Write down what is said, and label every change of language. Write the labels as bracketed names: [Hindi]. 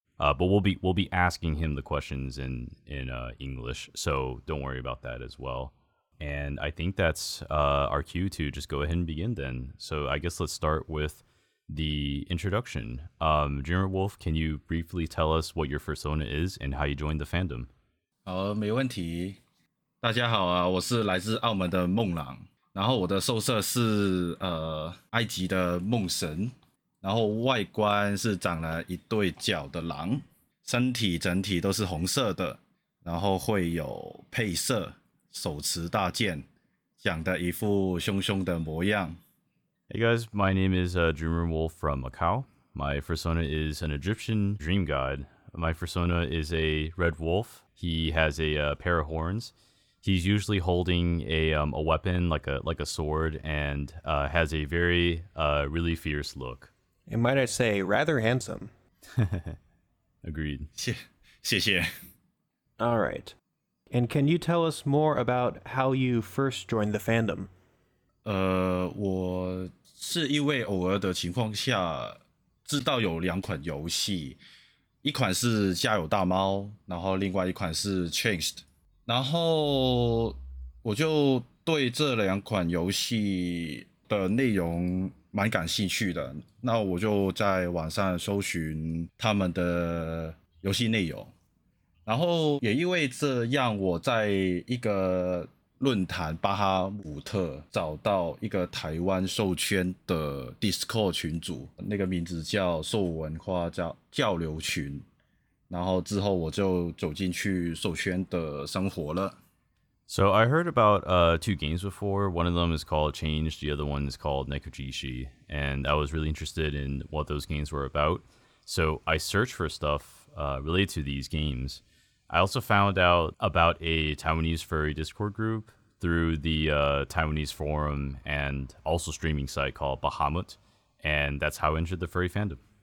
[English] But we'll be asking him the questions in English, so don't worry about that as well. And I think that's our cue to just go ahead and begin then. So I guess let's start with the introduction. Dreamer Wolf, can you briefly tell us what your fursona is and how you joined the fandom? [Chinese] 好，没问题。大家好啊，我是来自澳门的梦狼，然后我的兽色是埃及的梦神。然后外观是长了一对角的狼，身体整体都是红色的，然后会有配色，手持大剑，长得一副凶凶的模样。 [English] Hey guys, my name is Dreamer Wolf from Macau. My fursona is an Egyptian dream god. My fursona is a red wolf. He has a pair of horns. He's usually holding a weapon like a sword and has a very really fierce look. And might I say, rather handsome. Agreed. [Chinese] 谢谢. [English] All right. And can you tell us more about how you first joined the fandom? [Chinese] 我是因为偶尔的情况下知道有两款游戏，一款是家有大猫，然后另外一款是 Changed. 然后我就对这两款游戏的内容蛮感兴趣的，那我就在网上搜寻他们的游戏内容，然后也因为这样，我在一个论坛巴哈姆特找到一个台湾兽圈的 Discord 群组，那个名字叫兽文化交流群，然后之后我就走进去兽圈的生活了。 [English] So I heard about two games before. One of them is called Change, the other one is called Nekojishi, and I was really interested in what those games were about. So I searched for stuff related to these games. I also found out about a Taiwanese furry Discord group through the Taiwanese forum and also streaming site called Bahamut, and that's how I entered the furry fandom.